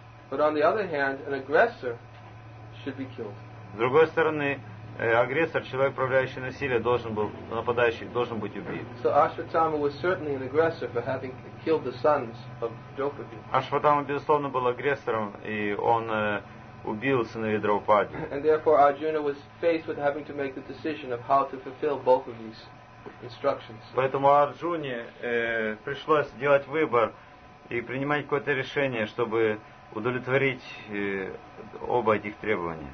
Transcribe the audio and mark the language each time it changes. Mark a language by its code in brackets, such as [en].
[en] But on the other hand, an aggressor should be killed. [ru] С другой стороны, агрессор, человек, проявляющий насилие, должен быть убит. [en] So Ashvatthama was certainly an aggressor for having killed the sons of Draupadi. [ru] Ашватхама безусловно был агрессором, и он убил сыновей Драупади. [en] And therefore Arjuna was faced with having to make the decision of how to fulfill both of these instructions. [ru] Поэтому Арджуне пришлось делать выбор и принимать какое-то решение, чтобы удовлетворить оба этих требования.